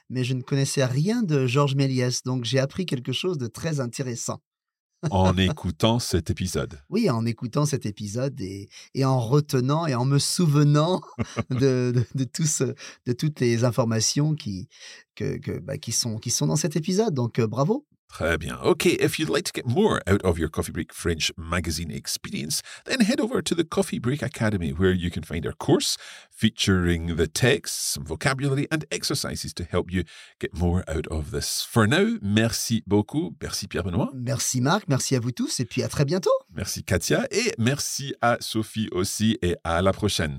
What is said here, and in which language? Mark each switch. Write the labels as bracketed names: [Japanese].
[French] Mais je ne connaissais rien de Georges Méliès, donc j'ai appris quelque chose de très intéressant. En écoutant cet épisode. Oui, en écoutant cet épisode et en retenant et en me souvenant de toutes les informations qui sont dans cet épisode, donc bravo. Très bien. [English] Okay, if you'd like to get more out of your Coffee Break French magazine experience, then head over to the Coffee Break Academy, where you can find our course featuring the text, some vocabulary and exercises to help you get more out of this. For now, [French] merci beaucoup. Merci Pierre-Benoît. Merci Marc, merci à vous tous et puis à très bientôt. Merci Katia et merci à Sophie aussi et à la prochaine.